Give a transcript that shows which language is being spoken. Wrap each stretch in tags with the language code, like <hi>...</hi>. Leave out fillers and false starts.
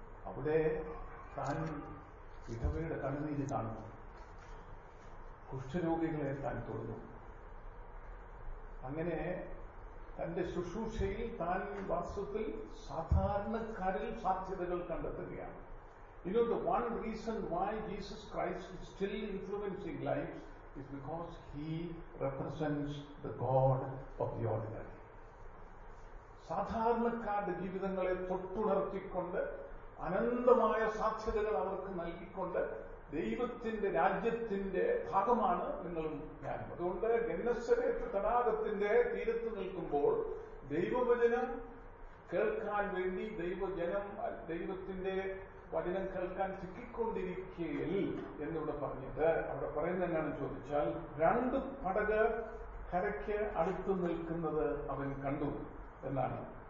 <ml>അവിടെ താൻ വിധവയുടെ കണ്ണുനീര് കാണുന്നു, കുഷ്ഠരോഗികളെ താൻ തൊടുന്നു. അങ്ങനെ തന്റെ ശുശ്രൂഷയിൽ താൻ വാസ്തവത്തിൽ സാധാരണക്കാരിൽ സാധ്യതകൾ കണ്ടെത്തുകയാണ്.</ml> <en>You know, the one reason why Jesus Christ is still influencing lives is because he represents the God of the ordinary.</en> <ml>സാധാരണക്കാരുടെ ജീവിതങ്ങളെ തൊട്ടുണർത്തിക്കൊണ്ട് അനന്തമായ സാധ്യതകൾ അവർക്ക് നൽകിക്കൊണ്ട് ദൈവത്തിന്റെ രാജ്യത്തിന്റെ ഭാഗമാണ് നിങ്ങളും ഞാനും. അതുകൊണ്ട് ഗന്നസരേറ്റ് തടാകത്തിന്റെ തീരത്ത് നിൽക്കുമ്പോൾ ദൈവവചനം കേൾക്കാൻ വേണ്ടി ദൈവജനം ദൈവത്തിന്റെ വചനം കേൾക്കാൻ ചിക്കിക്കൊണ്ടിരിക്കയിൽ എന്നിവിടെ പറഞ്ഞിട്ട് അവിടെ പറയുന്ന എന്താണെന്ന് ചോദിച്ചാൽ, രണ്ട് പടക് കരയ്ക്ക് അടുത്ത് നിൽക്കുന്നത് അവൻ കണ്ടു എന്നാണ്.</ml>